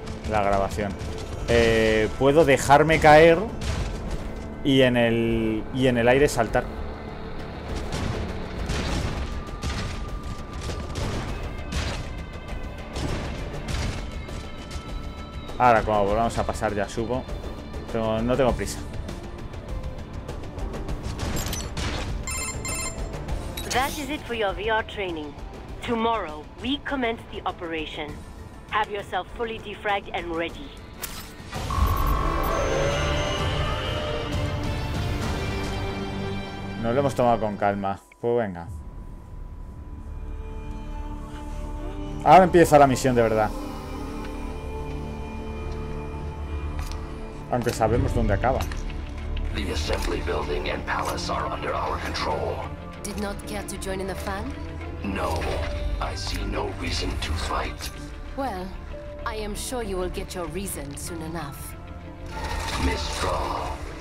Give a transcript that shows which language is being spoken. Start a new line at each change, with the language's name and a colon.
Spanish: la grabación. Puedo dejarme caer... y en el... y en el aire saltar. Ahora, cuando volvamos a pasar, ya subo. Pero no tengo prisa.
English: That is it for your VR training. Tomorrow, we commence the operation. Have yourself fully defragged and ready.
Spanish: No lo hemos tomado con calma. Pues venga. Ahora empieza la misión de verdad. Aunque sabemos dónde acaba.
English: The assembly building and palace are under our control. Did not care to join in the fun? No, I see no reason to fight. Well, I am sure you will get your reason soon enough. Mistral.